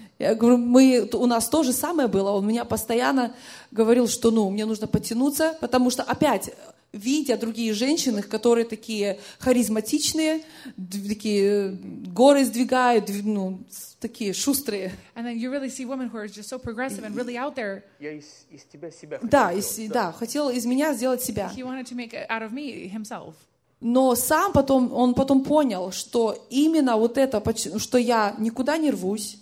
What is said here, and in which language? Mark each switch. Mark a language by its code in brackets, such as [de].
[ru] я говорю, у нас то же самое было. Он меня постоянно говорил, что ну, мне нужно потянуться, потому что опять, видя другие женщины, которые такие харизматичные, такие горы сдвигают, ну, такие шустрые. [en] And then you really see women who are just so progressive and really out there. [ru] Я из тебя себя. Да, да, хотел из меня сделать себя. [en] He wanted to make out of me himself. [ru] Но сам потом он потом понял, что именно вот это, что я никуда не рвусь.